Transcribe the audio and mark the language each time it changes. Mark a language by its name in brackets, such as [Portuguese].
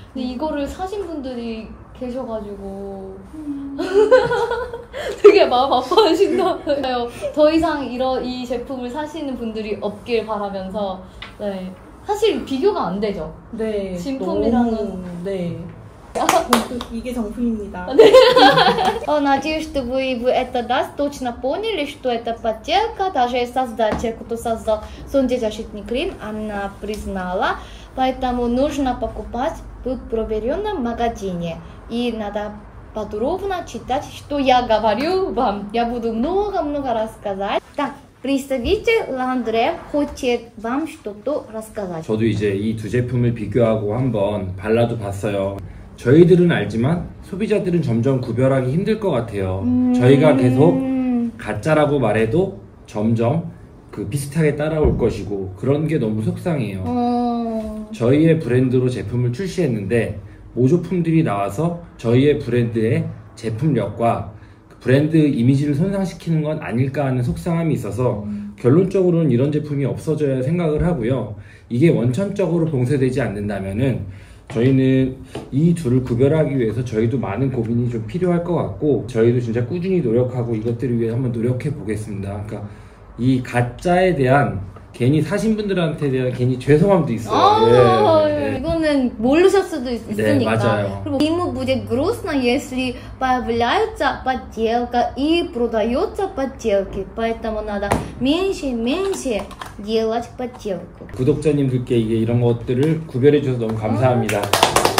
[Korean] 근데 이거를 사신 분들이 계셔가지고 되게 마음 아파하신다고요. 더 이상 이 제품을 사시는 분들이 없길 바라면서 네 사실 비교가 안 되죠. 네 진품이랑은 너무, 네 이게 정품입니다. 네. [Russian] Надеюсь, что вы в это даст точно поняли, что это подделка. Даже создатель, кто создал солнцезащитный крем, она признала. Поэтому нужно покупать в проверенном магазине. И надо подробно читать, что я говорю вам. Я буду много-много рассказать. Так, представитель Ландре хочет вам что-то рассказать. [Korean] 저도 이제 이 두 제품을 비교하고 한번 발라도 봤어요. 저희들은 알지만 소비자들은 점점 구별하기 힘들 것 같아요. 저희가 계속 가짜라고 말해도 점점 그 비슷하게 따라올 것이고 그런 게 너무 속상해요. 저희의 브랜드로 제품을 출시했는데 모조품들이 나와서 저희의 브랜드의 제품력과 브랜드 이미지를 손상시키는 건 아닐까 하는 속상함이 있어서 결론적으로는 이런 제품이 없어져야 생각을 하고요. 이게 원천적으로 봉쇄되지 않는다면은 저희는 이 둘을 구별하기 위해서 저희도 많은 고민이 좀 필요할 것 같고 저희도 진짜 꾸준히 노력하고 이것들을 위해 한번 노력해 보겠습니다. 그러니까 이 가짜에 대한 괜히 사신 분들한테 대한 괜히 죄송함도 있어요. 아, 예. 예. 이거는 모르셨을 수도 있으니까. 네, 맞아요. 그리고 이모 부제 그로스나 예술이 [Russian] появляются подделка и продаются подделки. Поэтому надо меньше делать подделку. [Korean] 구독자님들께 이게 이런 것들을 구별해 주셔서 너무 감사합니다.